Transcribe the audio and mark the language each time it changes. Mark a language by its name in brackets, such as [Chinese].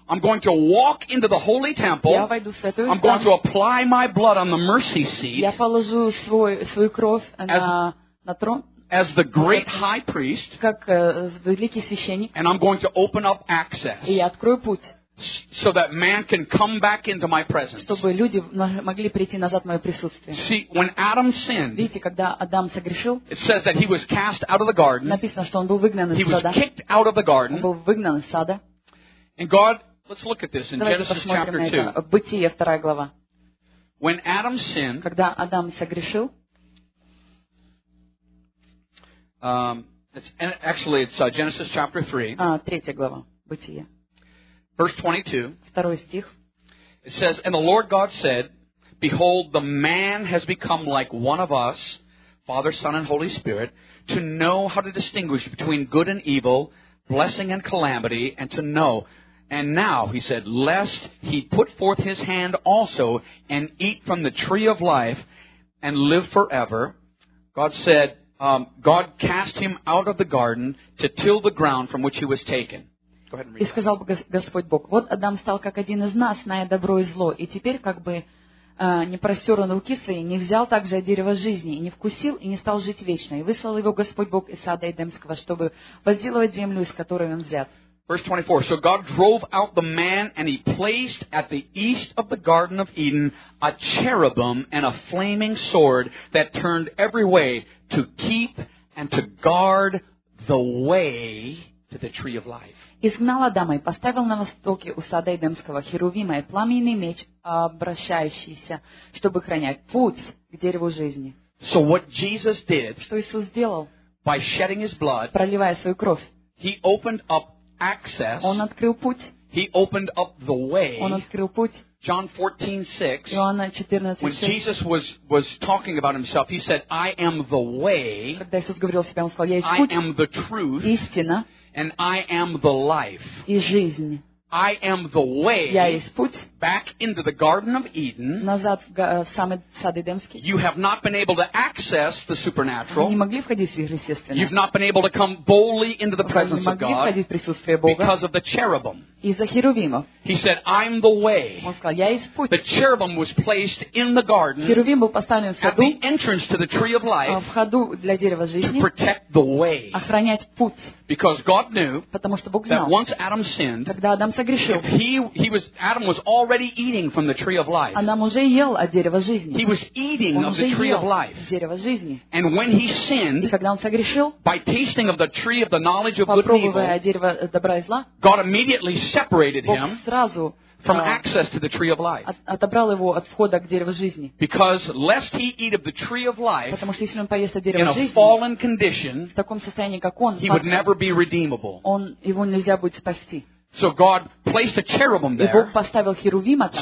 [English] I'm going to walk into the holy temple. I'm going to apply my blood on the mercy seat. [Russian] Я положу свою кровь на трон. [English] As the great high priest. [Russian] Как великий священник. [English] And I'm going to open up access. [Russian] И я открою путь. [English] So that man can come back into my presence. [Russian] Чтобы люди могли прийти назад в мое присутствие. [English] See, when Adam sinned, [Russian] видите, когда Адам согрешил, [English] it says that he was cast out of the garden. [Russian] Написано, что он был выгнан из сада. [English] He was kicked out of the garden. [Russian] Он был выгнан из сада. [English] And God, let's look at this in Genesis chapter 2. [Russian] Бытие, вторая глава. [English] When Adam sinned, [Russian] когда Адам согрешил, [English] it's Genesis chapter 3. [Russian] Третья глава, Бытие. [English] Verse 22. [Russian] Второй стих. [English] It says, and the Lord God said, behold, the man has become like one of us, Father, Son, and Holy Spirit, to know how to distinguish between good and evil, blessing and calamity, and to know. And now, he said, lest he put forth his hand also and eat from the tree of life and live forever. God said, God cast him out of the garden to till the ground from which he was taken. Go ahead and read [Russian] и сказал Господь Бог, вот Адам стал как один из нас, зная добро и зло, и теперь как бы не простер он руки свои, не взял также дерево жизни, и не вкусил, и не стал жить вечно. И выслал его Господь Бог из сада Эдемского, чтобы возделывать землю, из которой он взят. [English] Verse 24. So God drove out the man, and he placed at the east of the Garden of Eden a cherubim and a flaming sword that turned every way to keep and to guard the way to the tree of life. [Russian] Изгнал Адама и поставил на востоке у сада Эдемского херувима и пламенный меч, обращающийся, чтобы охранять путь к дереву жизни. [English] So what Jesus did, [Russian] что Иисус сделал, [English] by shedding his blood, [Russian] проливая свою кровь, [English] he opened up access, [Russian] он открыл путь, [English] he opened up the way, [Russian] он открыл путь. [English] John 14:6, [Russian] Иоанна 14:6, [English] when Jesus was talking about himself, he said, I am the way, [Russian] когда Иисус говорил о себе, он сказал, я есть путь, [English] I am the truth, [Russian] истина, [English] and I am the life, [Russian] и жизнь. [English] I am the way, [Russian] я есть путь, [English] back into the Garden of Eden, [Russian] назад в сад Эдемский. [English] You have not been able to access the supernatural. [Russian] Вы не могли входить в сверхъестественное. [English] You've not been able to come boldly into the presence of God. [Russian] Вы не могли входить в присутствие Бога. [English] Because of the cherubim. [Russian] Из-за херувимов. [English] He said, I'm the way. [Russian] Он сказал, я есть путь. [English] The cherubim was placed in the garden. [Russian] Херувим был поставлен в саду. [English] At the entrance to the tree of life. [Russian] В ходу для дерева жизни. [English] To protect the way. [Russian] Охранять путь. [English] Because God knew. [Russian] Потому что Бог знал. [English] That once Adam sinned. [Russian] Когда Адам согрешил. [English] He was Adam was already eating from the tree of life. [Russian] Адам уже ел от дерева жизни. [English] He was eating of the tree of life. [Russian] Дерево жизни. [English] And when he sinned. [Russian] И когда он согрешил. [English] By tasting of the tree of the knowledge of good and evil. [Russian] Попробовав от дерева добра и зла. [English] God immediately separated him [Russian] сразу, [English] from access to the tree of life. [Russian] Отобрал его от входа к дереву жизни. [English] Because lest he eat of the tree of life, [Russian] потому что если он поест от дерева [English] in [Russian] жизни, [English] a fallen condition, [Russian] в таком состоянии, как он, [English] he [Russian] также, [English] would never be redeemable. [Russian] Он, его нельзя будет спасти. [English] So God placed a cherubim there, [Russian] и Бог поставил херувима там,